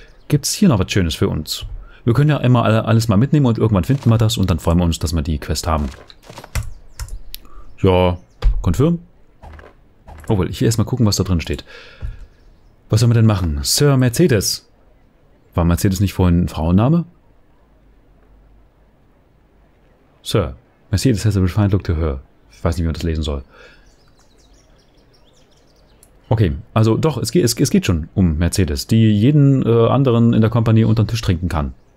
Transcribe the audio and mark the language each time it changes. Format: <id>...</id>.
<de>Gibt's hier noch was Schönes für uns? Wir können ja immer alles mal mitnehmen und irgendwann finden wir das und dann freuen wir uns, dass wir die Quest haben. Ja, confirm. Obwohl, ich will erstmal gucken, was da drin steht. Was sollen wir denn machen? Sir Mercedes. War Mercedes nicht vorhin ein Frauenname?</de> <en>Sir, Mercedes has a refined look to her.</en> <de>Ich weiß nicht, wie man das lesen soll. Okay, also doch, es geht schon um Mercedes, die jeden anderen in der Kompanie unter den Tisch trinken kann.</de>